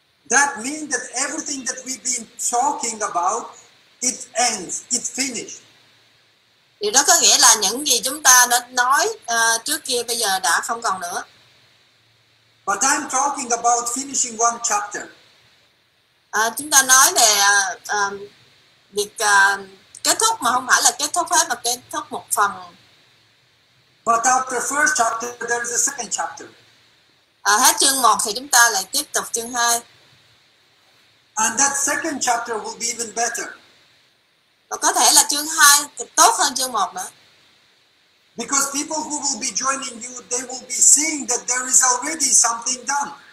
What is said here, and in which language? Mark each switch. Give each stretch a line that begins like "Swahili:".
English: That means that everything that we've been talking about, it ends, it's finished.
Vietnamese: Điều đó có nghĩa là những gì chúng ta đã nói trước kia bây giờ đã không còn nữa.
English: But I'm talking about finishing one chapter.
Vietnamese: Chúng ta nói về việc kết thúc, mà không phải là kết thúc hết, mà kết thúc một phần.
English: But after first chapter, there is a second chapter.
Vietnamese: Hết chương 1 thì chúng ta lại tiếp tục chương 2.
English: And that second chapter will be even better.
Vietnamese: Và có thể là chương 2 tốt hơn chương 1 nữa.
English: Because people who will be joining you, they will be seeing that there is already something done.